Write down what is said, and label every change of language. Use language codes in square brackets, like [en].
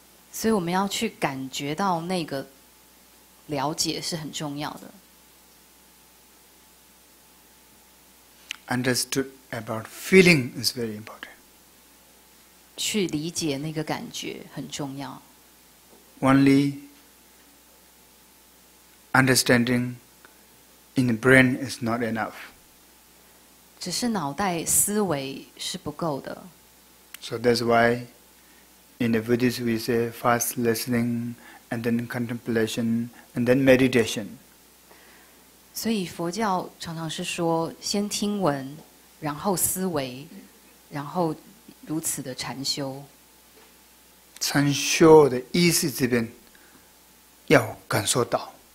[zh] 所以我们要去感觉到那个了解是很重要的。 [en] Understood about feeling is very important. [zh] 去理解那个感觉很重要。 [en] Only understanding in the brain is not enough. [zh] 只是脑袋思维是不够的。 [en] So that's why in the Buddhist we say fast listening and then contemplation and then meditation. [zh] 所以佛教常常是说先听闻，然后思维，然后。如此的禅修，禅修的意思这边要感受到。